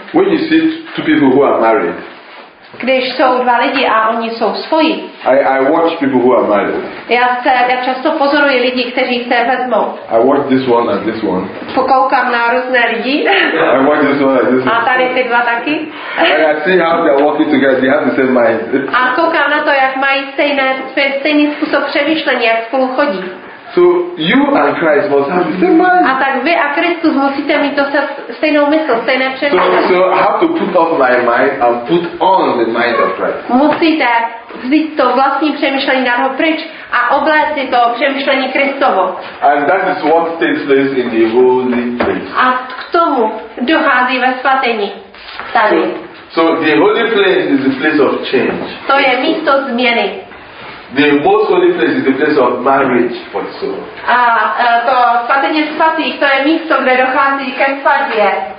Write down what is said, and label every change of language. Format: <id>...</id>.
<en>When you see two people who are married,</en> <cs>když jsou dva lidi a oni jsou svoji.</cs> <en>I watch people who are married.</en> <cs>Já často pozoruji lidi, kteří se vezmou.</cs> <en>I watch this one and this one.</en> <cs>Pokoukám na různé lidi.</cs> <en>I watch this one and this one.</en> <cs>A tady ty dva taky.</cs> <en>And I see how they are walking together. They have the same mind.</en> <cs>A koukám na to, jak mají stejný způsob přemýšlení, jak spolu chodí.</cs> <en>So you and Christ must have the same mind.</en> <cs>A tak vy a Kristus musíte mít to stejnou mysl, stejné přemýšlení.</cs> <en>So I have to put off my mind and put on the mind of Christ.</en> <cs>Musíte vzít to vlastní přemýšlení dát ho pryč a obléct si to přemýšlení Kristovo.</cs> <en>And that is what takes place in the holy place.</en> <cs>A k tomu dochází ve svatyni. Tady.</cs> <en>So the holy place is the place of change.</en> <cs>To je místo změny.</cs> <en>The most holy place is the place of marriage for the soul.</en> <cs>To svatyně svatých, to je místo, kde dochází ke svatbě.</cs>